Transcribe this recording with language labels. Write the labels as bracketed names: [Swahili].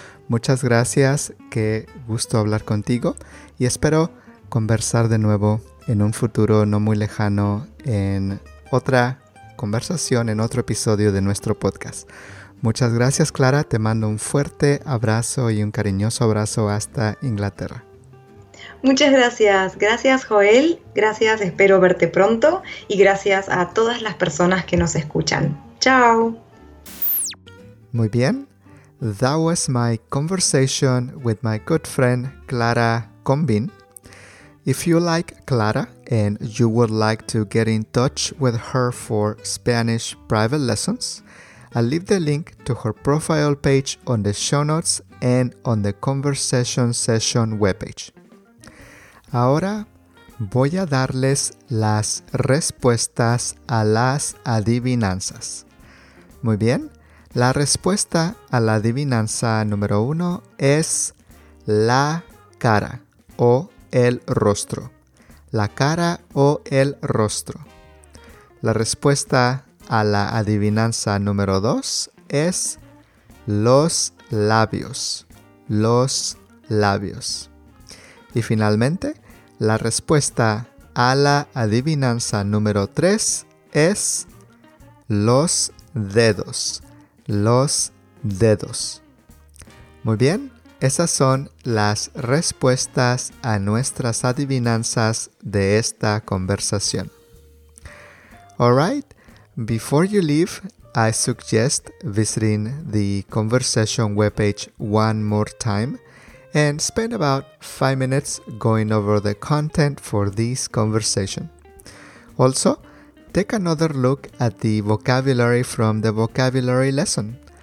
[Spanish] Muchas gracias, qué gusto hablar contigo y espero conversar de nuevo en un futuro no muy lejano en otra conversación, en otro episodio de nuestro podcast. Muchas gracias, Clara, te mando un fuerte abrazo y un cariñoso abrazo hasta Inglaterra. Muchas gracias. Gracias, Joel. Gracias, espero verte pronto. Y gracias a todas las personas que nos escuchan. ¡Chao! Muy bien. [English] That was my conversation with my good friend Clara Combin. If you like Clara and you would like to get in touch with her for Spanish private lessons, I'll leave the link to her profile page on the show notes and on the conversation session webpage. [Spanish] Ahora voy a darles las respuestas a las adivinanzas. Muy bien, la respuesta a la adivinanza número 1 es la cara o el rostro? ¿La cara o el rostro? La respuesta a la adivinanza número 2 es los labios. Los labios. Y finalmente, la respuesta a la adivinanza número 3 es los dedos. Los dedos. Muy bien, esas son las respuestas a nuestras adivinanzas de esta conversación. [English] Alright, before you leave, I suggest visiting the conversation webpage one more time and spend about 5 minutes going over the content for this conversation. Also, take another look at the vocabulary from the vocabulary lesson.